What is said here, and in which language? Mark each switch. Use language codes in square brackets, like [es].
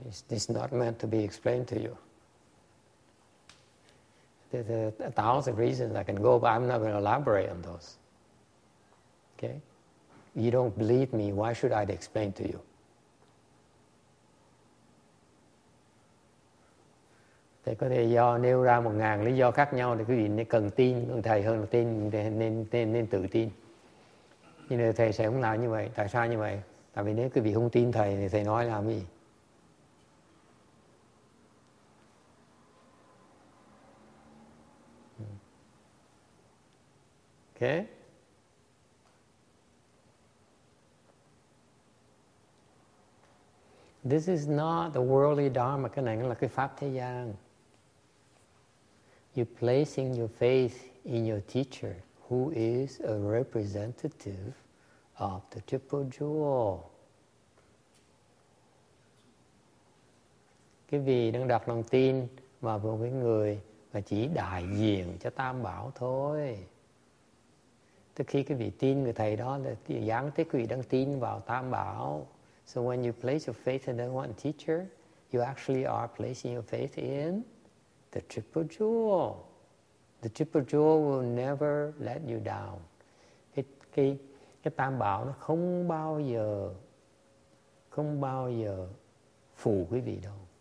[en] It's not meant to be explained to you. There's a thousand reasons I can go, but I'm not going to elaborate on those. Okay? You don't believe me, why should I explain to you? [vi] Thì có thể do nêu ra 1000 lý do khác nhau thì quý vị nên cần tin thầy hơn là tin nên tự tin. Nhưng mà thầy sẽ không làm như vậy. Tại sao như vậy? Tại vì nếu quý vị không tin thầy thì thầy nói làm gì? [en] Okay? This is not the worldly dharma. [vi] Cái này là cái pháp thế gian. [en] You're placing your faith in your teacher who is a representative of the triple jewel. [vi] Cái vị đang đặt lòng tin vào một cái người mà chỉ đại diện cho tam bảo thôi. Tức khi cái vị tin người thầy đó là gián tiếp quý vị đang tin vào tam bảo. [en] So when you place your faith in the one teacher, you actually are placing your faith in the triple jewel. The triple jewel will never let you down. [vi] Cái tam bảo nó không bao giờ phụ quý vị đâu.